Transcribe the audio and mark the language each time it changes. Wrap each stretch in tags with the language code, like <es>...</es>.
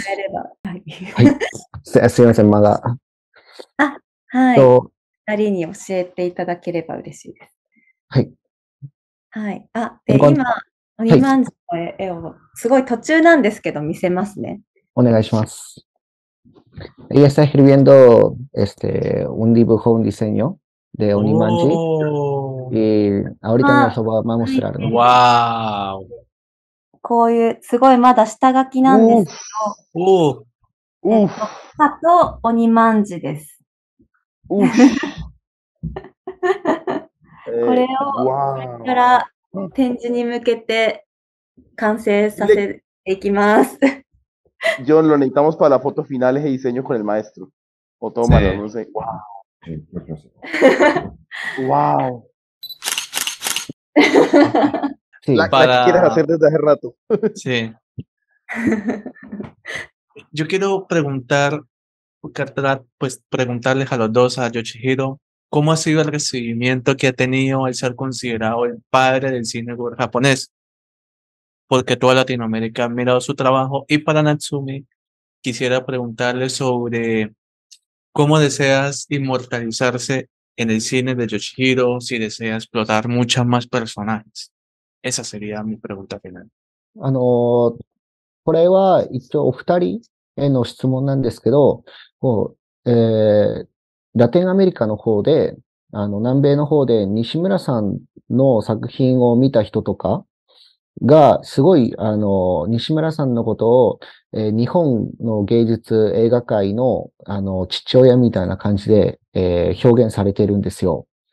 <ja>もらえれば、はい、はい。すいません、まだ。あ、はい。二人に教えていただければ嬉しいです。はい。はい。あ、で今、鬼まんじゅうの絵を、はい、すごい途中なんですけど、見せますね。お願いします。</ja> <es>Ella está escribiendo un dibujo, un diseño de 鬼まんじゅう。 Y ahorita nos lo vamos a mostrar. Wow.</es> <ja>こういう、すごいまだ下書きなんですけど、おと鬼まんじです。これをこれから展示に向けて完成させていきます。</ja> <es>ジョン、lo necesitamos para la foto finales y diseño con el maestro. O toma, no sé. Wow. Wow. Sí, la que quieres hacer desde hace rato. Sí. Yo quiero preguntar, pues preguntarles a los dos, a Yoshihiro, ¿cómo ha sido el recibimiento que ha tenido al ser considerado el padre del cine japonés? Porque toda Latinoamérica ha mirado su trabajo. Y para Natsumi, quisiera preguntarle sobre cómo deseas inmortalizarse en el cine de Yoshihiro, si deseas explotar muchas más personajes. Esa sería mi pregunta final.</es> <ja>これは一応お二人への質問なんですけど、こう、ラテンアメリカの方で、南米の方で西村さんの作品を見た人とかが、すごい、西村さんのことを、日本の芸術映画界の、父親みたいな感じで、表現されてるんですよ。</ja>